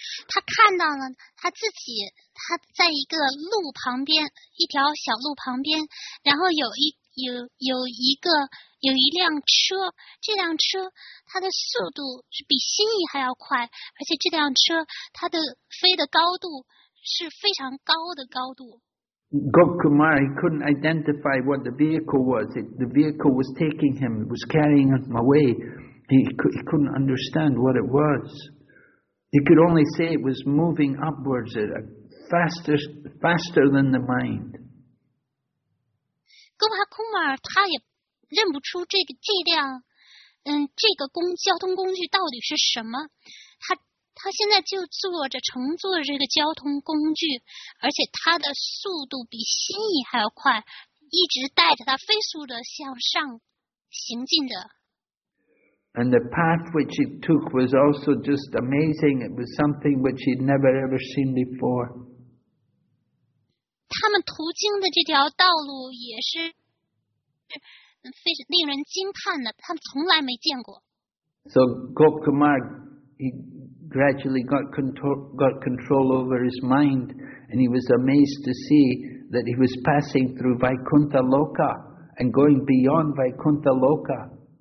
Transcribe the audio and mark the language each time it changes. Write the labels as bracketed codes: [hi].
[zh] 他看到了他自己，他在一个路旁边，一条小路旁边，然后有一辆车，这辆车它的速度是比蜥蜴还要快，而且这辆车它的飞的高度是非常高的高度。 [en] Gopkumar, he couldn't identify what the vehicle was. The vehicle was taking him, was carrying him away. He couldn't understand what it was. He could only say it was moving upwards at a faster than the mind. [zh] Gopkumar, 他也认不出这辆交通工具到底是什么。他现在就乘坐这个交通工具，而且他的速度比蜥蜴还要快，一直带着他飞速的向上行进着。 [en] And the path which he took was also just amazing. It was something which he'd never ever seen before. [zh] 他们途经的这条道路也是非常令人惊叹的，他们从来没见过。 [en] So Gopkumar, he gradually got control over his mind, and he was amazed to see that he was passing through Vaikuntha Loka and going beyond Vaikuntha Loka.